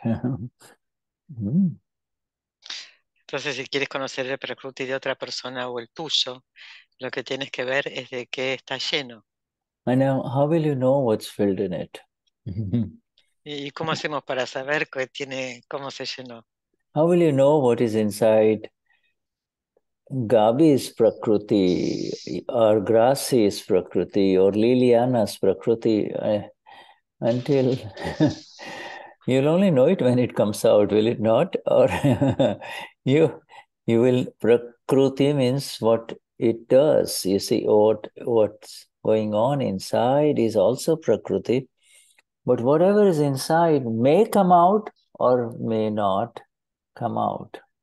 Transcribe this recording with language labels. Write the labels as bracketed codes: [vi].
[es] Entonces, si quieres conocer el prakruti de otra persona o el tuyo, lo que tienes que ver es de qué está lleno. [en] I know, how will you know what's filled in it? [es] ¿Y cómo hacemos para saber qué tiene, cómo se llenó? [en] How will you know what is inside Gabi's prakruti, or Grassi's prakruti, or Liliana's prakruti? Until you'll only know it when it comes out, will it not? Or you will, prakruti means what it does, you see, what's going on inside is also prakruti, but whatever is inside may come out or may not come out.